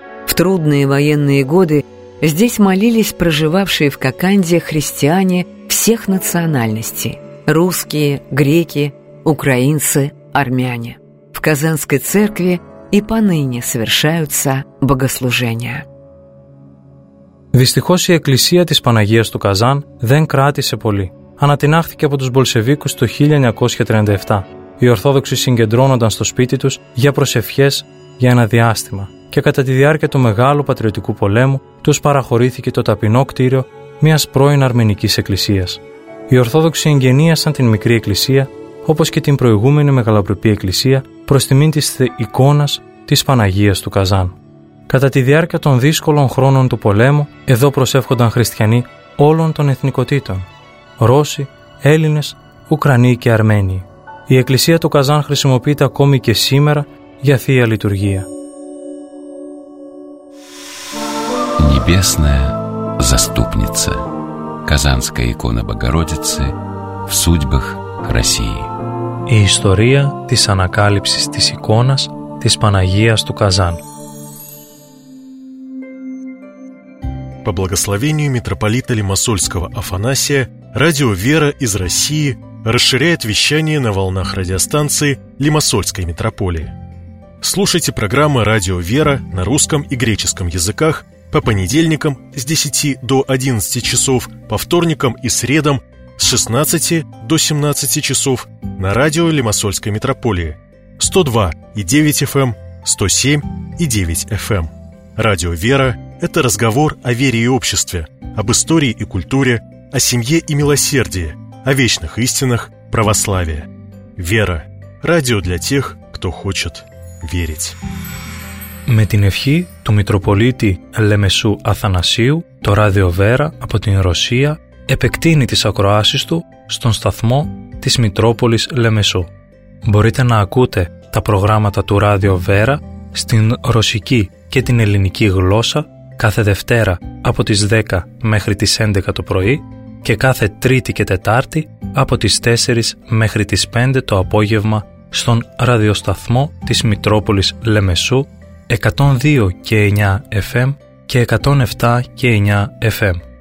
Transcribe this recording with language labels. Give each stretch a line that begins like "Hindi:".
Russian: В трудные военные годы здесь молились проживавшие в Коканде христиане всех национальностей – русские, греки, украинцы, армяне. В Казанской церкви и поныне совершаются богослужения.
Greek: Δυστυχώς η εκκλησία της Παναγίας του Καζάν δεν κράτησε πολύ. Ανατινάχθηκε από τους Μπολσεβίκους το 1937. Οι Ορθόδοξοι συγκεντρώνονταν στο σπίτι τους για προσευχές για ένα διάστημα και κατά τη διάρκεια του Μεγάλου Πατριωτικού Πολέμου τους παραχωρήθηκε το ταπεινό κτίριο μιας πρώην αρμενικής εκκλησίας. Οι Ορθόδοξοι εγγενίασαν την μικρή εκκλησία όπως και την προηγούμενη μεγαλοπρεπή εκκλησία προς τιμήν της εικόνας της Παναγίας του Καζάν. Κατά τη διάρκεια των δύσκολων χρόνων του πολέμου, εδώ προσεύχονταν χριστιανοί όλων των εθνικοτήτων. Ρώσοι, Έλληνες, Ουκρανοί και Αρμένοι. Η εκκλησία του Καζάν χρησιμοποιείται ακόμη και σήμερα για θεία λειτουργία.
Russian: Небесная заступница. Казанская икона Богородицы в судьбах России.
Greek: Η ιστορία της ανακάλυψης της εικόνας της Παναγίας του Καζάν.
Russian: По благословению митрополита Лимассольского Афанасия, радио «Вера» из России расширяет вещание на волнах радиостанции Лимассольской митрополии. Слушайте программы «Радио «Вера» на русском и греческом языках по понедельникам с 10 до 11 часов, по вторникам и средам с 16 до 17 часов на радио Лимассольской митрополии 102.9 FM, 107.9 FM. Радио «Вера» – это разговор о вере и обществе, об истории и культуре, о семье и милосердии, о вечных истинах православия. «Вера» – радио для тех, кто хочет верить.
Greek: Με την ευχή του Μητροπολίτη Λεμεσού Αθανασίου, το Ράδιο Βέρα από την Ρωσία επεκτείνει τις ακροάσεις του στον σταθμό της Μητρόπολης Λεμεσού. Μπορείτε να ακούτε τα προγράμματα του Ράδιο Βέρα στην ρωσική και την ελληνική γλώσσα κάθε Δευτέρα από τις 10 μέχρι τις 11 το πρωί και κάθε Τρίτη και Τετάρτη από τις 4 μέχρι τις 5 το απόγευμα στον ραδιοσταθμό της Μητρόπολης Λεμεσού 102.9 FM και 107.9 FM.